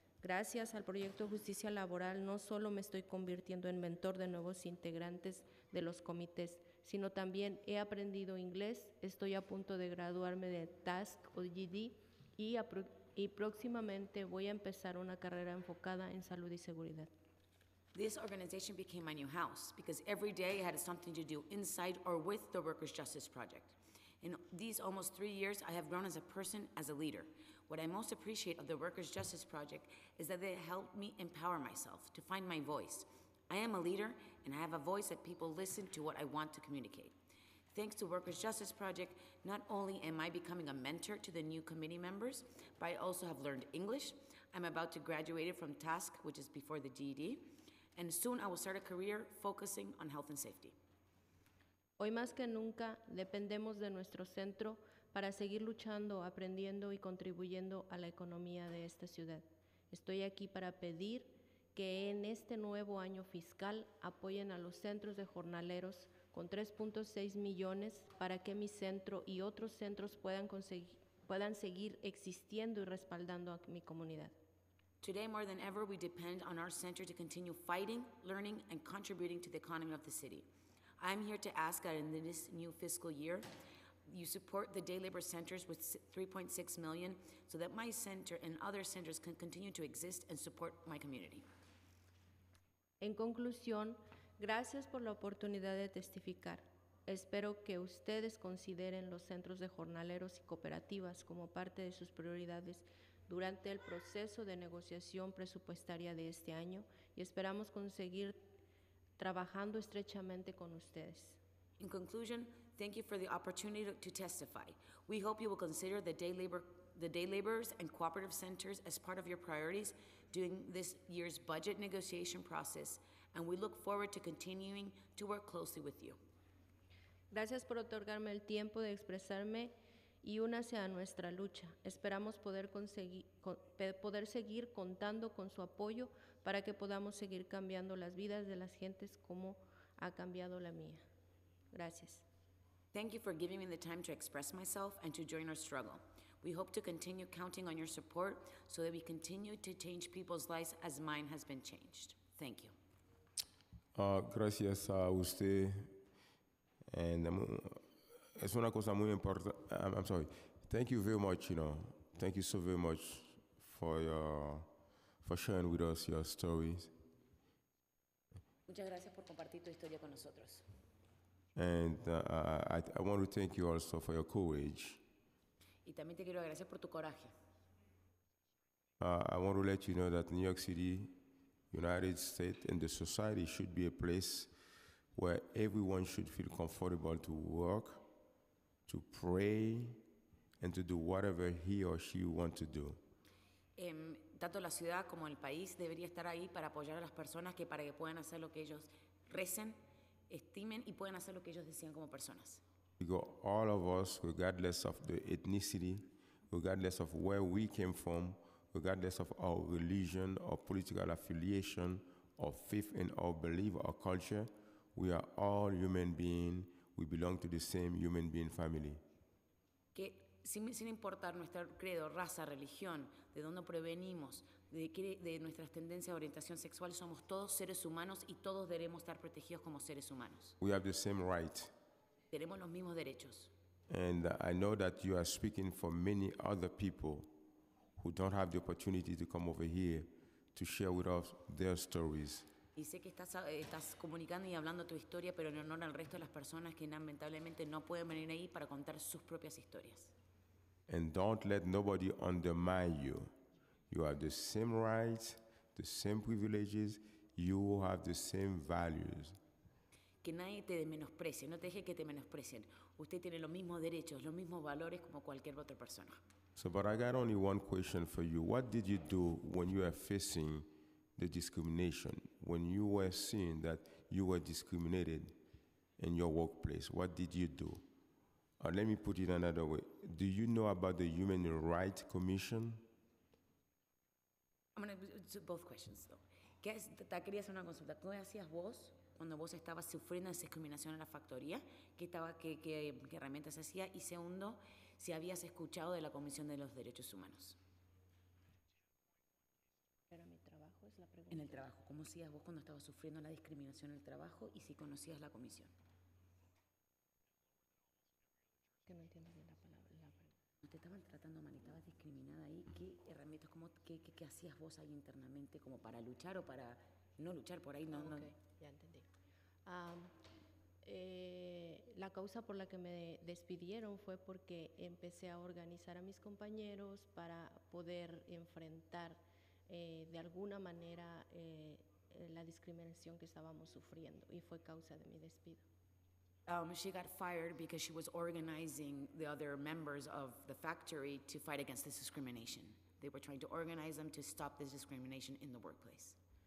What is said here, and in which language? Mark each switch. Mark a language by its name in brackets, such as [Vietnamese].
[Spanish] Gracias al proyecto de justicia laboral, no solo me estoy convirtiendo en mentor de nuevos integrantes de los comités, sino también he aprendido inglés, estoy a punto de graduarme de TASC o GD y próximamente voy a empezar una carrera enfocada en salud y seguridad. [English] This organization became my new house because every day I had something to do inside or with the Workers' Justice Project. In these almost 3 years, I have grown as a person, as a leader. What I most appreciate of the Workers' Justice Project is that they helped me empower myself to find my voice. I am a leader, and I have a voice that people listen to what I want to communicate. Thanks to Workers' Justice Project, not only am I becoming a mentor to the new committee members, but I also have learned English. I'm about to graduate from TASC, which is before the GED, and soon I will start a career focusing on health and safety. [Spanish] Hoy más que nunca dependemos de nuestro centro para seguir luchando, aprendiendo y contribuyendo a la economía de esta ciudad. Estoy aquí para pedir que en este nuevo año fiscal apoyen a los centros de jornaleros con 3.6 millones para que mi centro y otros centros puedan seguir existiendo y respaldando a mi comunidad. [English] Today more than ever we depend on our center to continue fighting, learning and contributing to the economy of the city. I'm here to ask that in this new fiscal year, you support the day labor centers with 3.6 million so that my center and other centers can continue to exist and support my community. [Spanish] En conclusión, gracias por la oportunidad de testificar. Espero que ustedes consideren los centros de jornaleros y cooperativas como parte de sus prioridades durante el proceso de negociación presupuestaria de este año y esperamos conseguir trabajando estrechamente con ustedes. [English] In conclusion, thank you for the opportunity to testify. We hope you will consider the day laborers and cooperative centers as part of your priorities during this year's budget negotiation process, and we look forward to continuing to work closely with you. [Spanish] Gracias por otorgarme el tiempo de expresarme y únase a nuestra lucha. Esperamos poder seguir contando con su apoyo para que podamos seguir cambiando las vidas de las gentes como ha cambiado la mía. Gracias. [English] Thank you for giving me the time to express myself and to join our struggle. We hope to continue counting on your support so that we continue to change people's lives as mine has been changed. Thank you. [Spanish] Gracias a usted, And es una cosa muy importante. [English] I'm sorry. Thank you very much, you know. Thank you so very much for your, for sharing with us your stories. [Spanish] Muchas gracias por compartir tu historia con nosotros. [English] And I want to thank you also for your courage. [Spanish] Y también te quiero agradecer por tu coraje. [English] I want to let you know that New York City, United States, and the society should be a place where everyone should feel comfortable to work, to pray, and to do whatever he or she wants to do. [Spanish] Tanto la ciudad como el país debería estar ahí para apoyar a las personas que para que puedan hacer lo que ellos recen, estimen, y puedan hacer lo que ellos desean como personas. [English] Because all of us, regardless of the ethnicity, regardless of where we came from, regardless of our religion or political affiliation or faith in our belief or culture, we are all human beings. We belong to the same human being family. [Spanish] Que sin importar nuestro credo, raza, religión, de dónde provenimos, de nuestras tendencias, orientación sexual, somos todos seres humanos y todos debemos estar protegidos como seres humanos. [English] We have the same right. [Spanish] Tenemos los mismos derechos. [English] And I know that you are speaking for many other people who don't have the opportunity to come over here to share with us their stories. [Spanish] Y sé que estás comunicando y hablando tu historia, pero en honor al resto de las personas que lamentablemente no pueden venir ahí para contar sus propias historias. [English] And don't let nobody undermine you. You have the same rights, the same privileges, you have the same values. [Spanish] Que nadie te menosprecie, no te deje que te menosprecien. Usted tiene los mismos derechos, los mismos valores como cualquier otra persona. [English] So, but I got only one question for you. What did you do when you were facing the discrimination? When you were seeing that you were discriminated in your workplace, what did you do? Let me put it another way. Do you know about the Human Rights Commission? I'm going to do both questions, though. [Spanish] ¿Qué es, te quería hacer una consulta? ¿Qué hacías vos cuando vos estabas sufriendo discriminación en la factoría? ¿Qué herramientas hacías? Y segundo, si habías escuchado de la Comisión de los Derechos Humanos. Pero mi trabajo es la pregunta. En el trabajo. ¿Cómo hacías vos cuando estabas sufriendo la discriminación en el trabajo y si conocías la comisión? Que no entiendo bien la palabra. ¿No te estaban tratando mal? ¿Estabas discriminada ahí? ¿Qué herramientas, qué hacías vos ahí internamente como para luchar o para no luchar por ahí? No, okay, no. Ya entendí. La causa por la que me despidieron fue porque empecé a organizar a mis compañeros para poder enfrentar de alguna manera la discriminación que estábamos sufriendo y fue causa de mi despido. [English] She got fired because she was organizing the other members of the factory to fight against this discrimination. They were trying to organize them to stop this discrimination in the workplace.